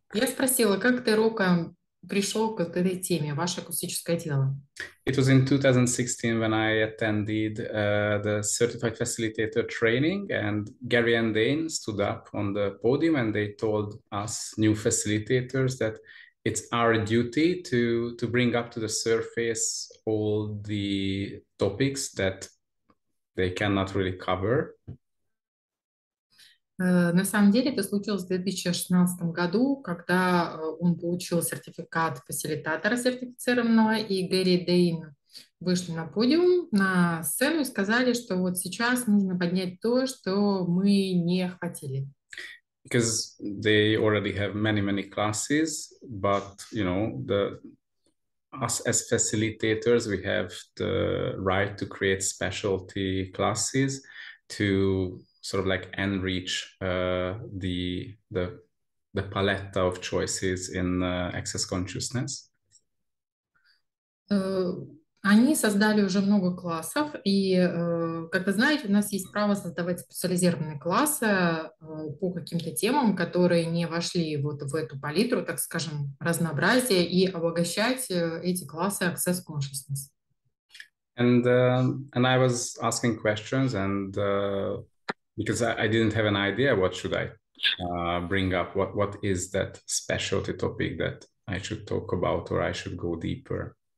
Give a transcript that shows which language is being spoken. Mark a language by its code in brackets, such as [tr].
[ru] Я спросила, как ты, Рока, пришел к этой теме, ваше акустическое тело? [en] it was in 2016 when I attended the Certified Facilitator training, and Gary and Dane stood up on the podium and they told us new facilitators that it's our duty to bring up to the surface all the topics that they cannot really cover. [ru] На самом деле это случилось в 2016 году, когда он получил сертификат фасилитатора сертифицированного, и Гэри Дейн вышли на подиум, на сцену и сказали, что вот сейчас нужно поднять то, что мы не охватили. [en] Because they already have many classes, but the us as facilitators, we have the right to create specialty classes to sort of like enrich the palette of choices in access consciousness. [ru] Они создали уже много классов, и, как вы знаете, у нас есть право создавать специализированные классы, по каким-то темам, которые не вошли вот в эту палитру, так скажем, разнообразия, и обогащать, эти классы Access Consciousness. [en] And I was asking questions and because I didn't have an idea what should I bring up, what is that specialty topic that I should talk about or I should go deeper.